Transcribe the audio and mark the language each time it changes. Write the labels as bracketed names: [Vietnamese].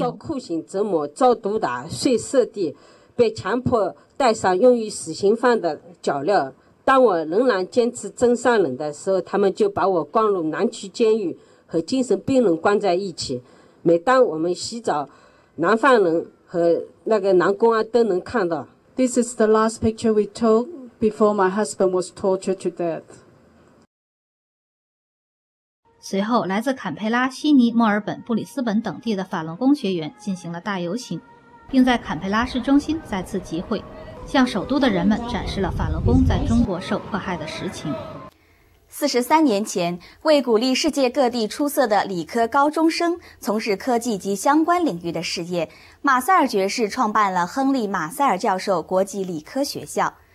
[Chinese] 遭酷刑折磨，遭毒打，睡色地，被强迫戴上用于死刑犯的脚镣。当我仍然坚持真善忍的时候，他们就把我关入南区监狱和精神病人关在一起。每当我们洗澡，男犯人和那个男公安都能看到。 [English] This is the last picture we took before my husband was tortured to death. [Chinese] 随后，来自坎培拉、悉尼、墨尔本、布里斯本等地的法轮功学员进行了大游行，并在坎培拉市中心再次集会，向首都的人们展示了法轮功在中国受迫害的实情。 43年前，为鼓励世界各地出色的理科高中生从事科技及相关领域的事业，马塞尔爵士创办了亨利·马塞尔教授国际理科学校。